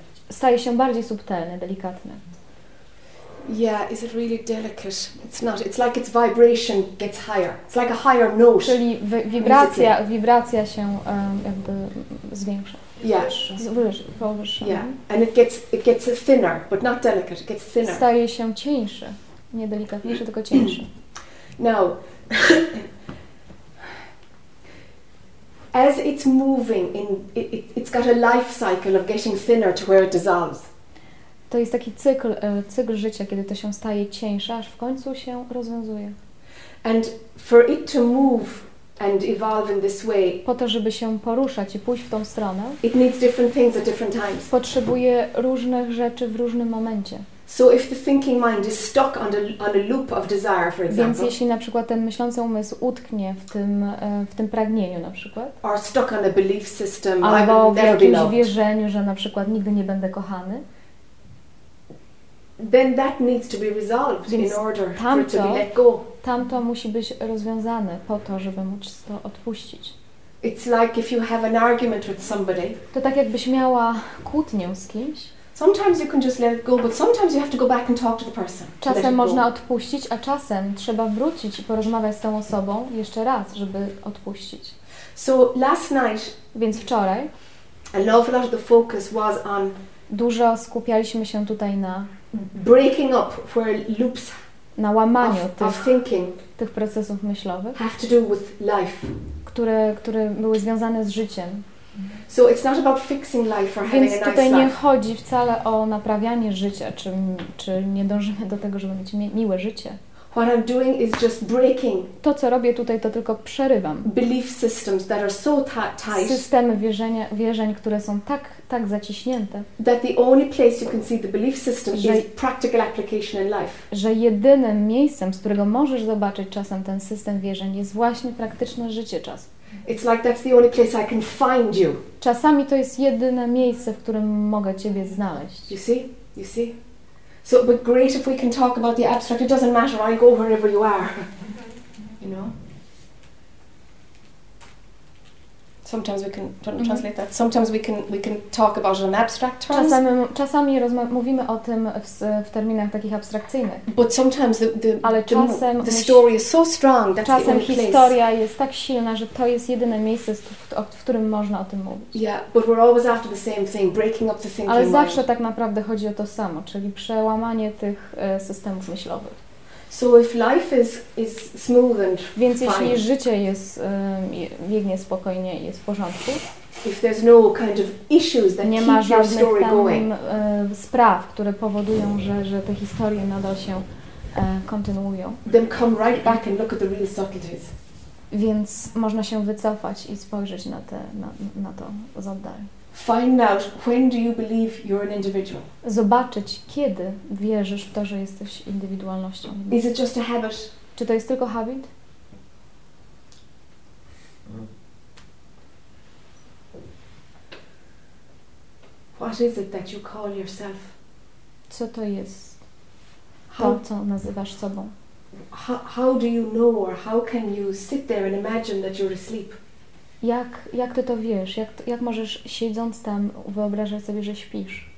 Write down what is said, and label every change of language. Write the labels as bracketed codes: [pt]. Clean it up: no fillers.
[pl] Staje się bardziej subtelny, delikatny. [en] Yeah, is it really delicate? It's not. It's like its vibration gets higher. It's like a higher note. [pl] Czyli wibracja się jakby zwiększa. [en] Yeah. [pl] Powyższa. [en] Yeah. And it gets thinner, but not delicate. It gets thinner. [pl] Staje się cieńszy. Nie delikatniejszy, tylko cieńszy. [en] Now, as it's moving in, it's got a life cycle of getting thinner to where it dissolves. [pl] To jest taki cykl życia, kiedy to się staje cieńsze, aż w końcu się rozwiązuje. [en] And for it to move and evolve in this way, [pl] po to, żeby się poruszać i pójść w tą stronę, [en] it needs different things at different times. [pl] Potrzebuje różnych rzeczy w różnym momencie. [en] So if the thinking mind is stuck on a loop of desire, for example, [pl] więc jeśli na przykład ten myślący umysł utknie w tym pragnieniu, na przykład, [en] or stuck on a belief system, [pl] albo w jakimś wierzeniu, że na przykład nigdy nie będę kochany, [en] then that needs to be resolved in order for it to be let go. [pl] Tamto musi być rozwiązane po to, żeby móc to odpuścić. [en] It's like if you have an argument with somebody. [pl] To tak jakbyś miała kłótnię z kimś. [en] Sometimes you can just let it go, but sometimes you have to go back and talk to the person. [pl] Czasem można odpuścić, a czasem trzeba wrócić i porozmawiać z tą osobą jeszcze raz, żeby odpuścić. [en] So last night, [pl] więc wczoraj, [en] a lot of the focus was on, [pl] dużo skupialiśmy się tutaj na [en] breaking up where loops, [pl] na łamaniu tych procesów myślowych, [en] have to do with life, [pl] które były związane z życiem. [en] So it's not about fixing life or having a nice life. [pl] Więc tutaj nie chodzi wcale o naprawianie życia, czy nie dążymy do tego, żeby mieć miłe życie. [en] What I'm doing is just breaking. [pl] To co robię tutaj, to tylko przerywam. [en] Belief systems that are so tight. [pl] Systemy wierzeń, które są tak zaciśnięte. [en] That the only place you can see the belief system is practical application in life. [pl] Że jedynym miejscem, z którego możesz zobaczyć czasem ten system wierzeń, jest właśnie praktyczne życie czasem. [en] It's like that's the only place I can find you. [pl] Czasami to jest jedyne miejsce, w którym mogę ciebie znaleźć. [en] You see? You see? So it would be great if we can talk about the abstract. It doesn't matter. I go wherever you are. You know? Sometimes we can translate that. Sometimes we can talk about it in abstract terms. [pl] Czasami mówimy o tym w terminach takich abstrakcyjnych. [en] But sometimes the story is so strong that [pl] czasem [en] the only [pl] historia [en] place. [pl] Jest tak silna, że to jest jedyne miejsce, w którym można o tym mówić. [en] Yeah, but we're always after the same thing, breaking up the thinking. [pl] Ale zawsze tak naprawdę chodzi o to samo, czyli przełamanie tych systemów myślowych. [en] So if life is smooth and fine. [pl] Więc jeśli życie jest biegnie spokojnie, jest w porządku. [en] If there's no kind of issues that keep your story going. [pl] Nie ma żadnych spraw, które powodują, że te historie nadal się kontynuują. [en] Then come right back and look at the real subtleties. [pl] Więc można się wycofać i spojrzeć na to z oddali. [en] Find out when do you believe you're an individual. [pl] Zobaczyć, kiedy wierzysz w to, że jesteś indywidualnością. [en] Is it just a habit? [pl] Czy to jest tylko habit? [en] What is it that you call yourself? [pl] Co to jest? [en] How [pl] to nazywasz sobą? [en] How do you know, or how can you sit there and imagine that you're asleep? [pl] Jak ty to wiesz? Jak możesz siedząc tam wyobrażać sobie, że śpisz?